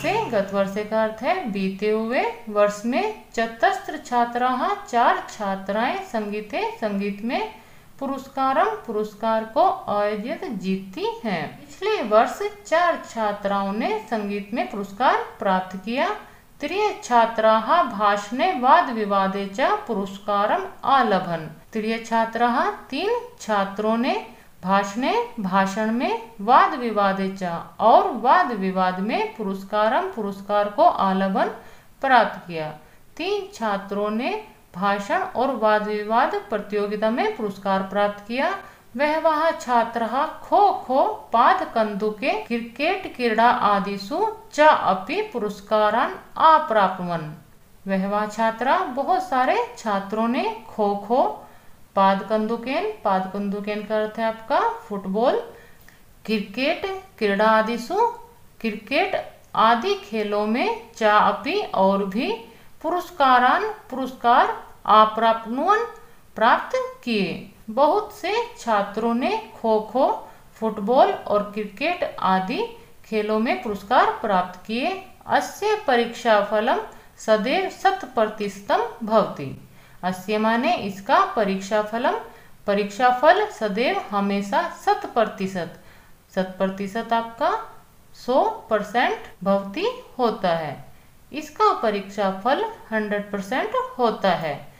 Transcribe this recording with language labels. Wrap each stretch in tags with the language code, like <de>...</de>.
<hi>गत वर्षे का अर्थ है बीते हुए वर्ष में चतस्र छात्राः चार छात्राएं संगीते संगीत में पुरस्कारम् पुरस्कार को अजयत जीती हैं। पिछले वर्ष चार छात्राओं ने संगीत में पुरस्कार प्राप्त किया।</hi> <sa>त्रिय छात्राः भाषणे वाद विवादे च पुरस्कारम् आलभन।</sa> <hi>त्रिय छात्राः तीन छात्रों ने भाषणे भाषण में वाद विवादे च और वाद विवाद में पुरस्कारम् पुरस्कार को आलभन प्राप्त किया। तीन छात्रों ने भाषण और वाद विवाद प्रतियोगिता में पुरस्कार प्राप्त किया।</hi> <sa>वह छात्रा खो खो पाद कंदुके क्रिकेट क्रीड़ा आदिषु च अपि पुरस्कारान् आप्राप्नुवन्।</sa> <hi>वह छात्रा बहुत सारे छात्रों ने खो खो पाद कंदुकेन का अर्थ है आपका फुटबॉल, क्रिकेट क्रीड़ा आदिषु क्रिकेट आदि खेलों में च अपि और भी पुरस्कारान् पुरस्कार आप्राप्नुवन् प्राप्त किए। बहुत से छात्रों ने खो खो फुटबॉल और क्रिकेट आदि खेलों में पुरस्कार प्राप्त किए।</hi> <sa>अस्य परीक्षाफलं सदैव 100% भवति।</sa> <hi>अस्य माने इसका परीक्षाफलं, परीक्षाफल सदैव हमेशा 100%, 100% आपका 100% भवति होता है। इसका परीक्षाफल 100% होता है।</hi>